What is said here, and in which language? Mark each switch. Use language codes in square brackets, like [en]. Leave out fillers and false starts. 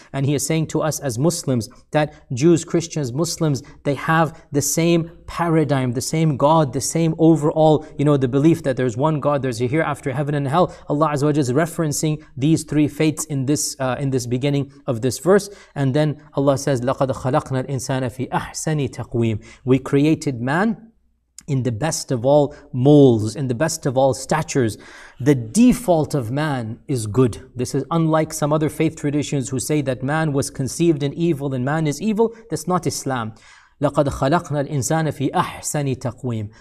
[en] And He is saying to us as Muslims, that Jews, Christians, Muslims, they have the same paradigm, the same God, the same overall, you know, the belief that there's one God, there's a hereafter, heaven and hell. Allah Azza wa Jalla is referencing these three faiths in this beginning of this verse. And then Allah says, [ar] لَقَدْ خَلَقْنَا الْإِنسَانَ فِي أَحْسَنِ تَقْوِيمٍ. [en] We created man in the best of all molds, in the best of all statures. The default of man is good. This is unlike some other faith traditions who say that man was conceived in evil and man is evil. That's not Islam. [ar] لَقَدْ خَلَقْنَا الْإِنسَانَ فِي أَحْسَنِ تَقْوِيمٍ.